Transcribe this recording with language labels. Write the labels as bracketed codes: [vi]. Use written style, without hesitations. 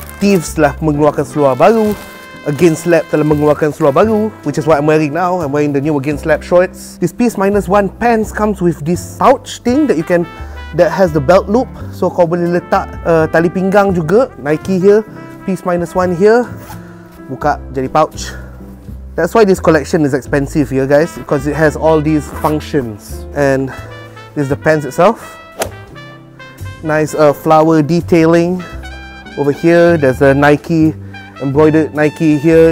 [ms] Thieves telah mengeluarkan seluar baru. [en] Against Lab [ms] telah mengeluarkan seluar baru, [en] which is what I'm wearing now. I'm wearing the new Against Lab shorts. This piece minus one pants comes with this pouch thing that you can, that has the belt loop. [ms] So kau boleh letak tali pinggang juga. [en] Nike here, piece minus one here, [ms] buka jadi [en] pouch. That's why this collection is expensive here guys, because it has all these functions. And this is the pants itself. Nice flower detailing. Over here, there's a Nike, embroidered Nike here.